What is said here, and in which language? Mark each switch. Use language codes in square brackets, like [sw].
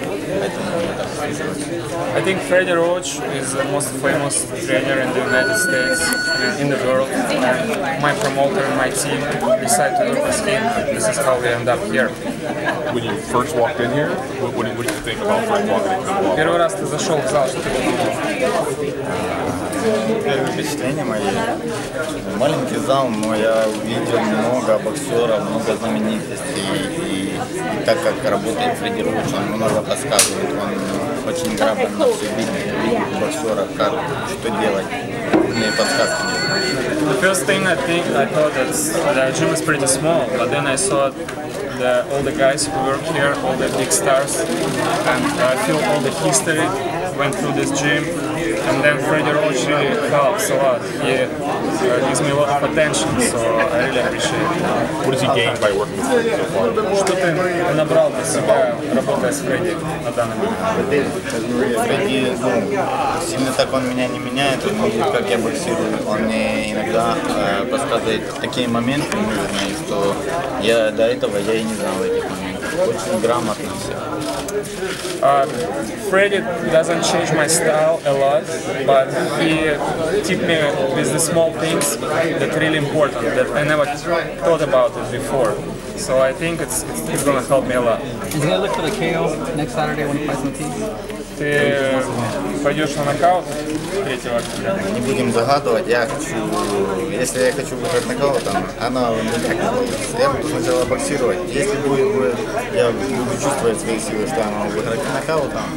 [en] I think Freddie Roach is the most famous trainer in the United States, in the world. My promoter and my team decided to work with him. This is how we end up here. When you first walked in here, what did you think about Fred walking in? [ru] Первый раз ты зашел в зал, что ты думал? Первые впечатления мои. Маленький зал, но я увидел много боксеров, много знаменитостей. И так как работает Фредди Роуч, он много подсказывает. Он очень грамотно все видит, видит боксера, как, что делать. Мне подсказки нет. [en] The first thing I think, I thought that the gym is pretty small, but then I saw the, all the guys who work here, all the big stars, and I feel all the history went through this gym. And then Freddie Roach really helps a lot. He gives me a lot of attention, so I really appreciate it. What does he gain by working with Freddie so far? [ru] Что ты набрал для себя, работая с Фредди на данный момент? Фредди, ну, сильно так он меня не меняет, он видит, как я боксирую. Он мне иногда подсказывает такие моменты нужные, что я до этого я и не знал этих моментов. Очень грамотно все. [en] Freddy doesn't change my style a lot, but he teach me with the small things that are really important that I never thought about it before. So I think it's gonna help me a lot. Is he gonna look for the KO next Saturday when he fights Matisse? [ru] Ты пойдешь на нокаут 3 октября? Не будем загадывать. Я хочу, если я хочу выиграть нокаут, то оно не так будет. Я буду сначала боксировать. Если будет, я буду чувствовать свои силы, что я могу выиграть нокаут.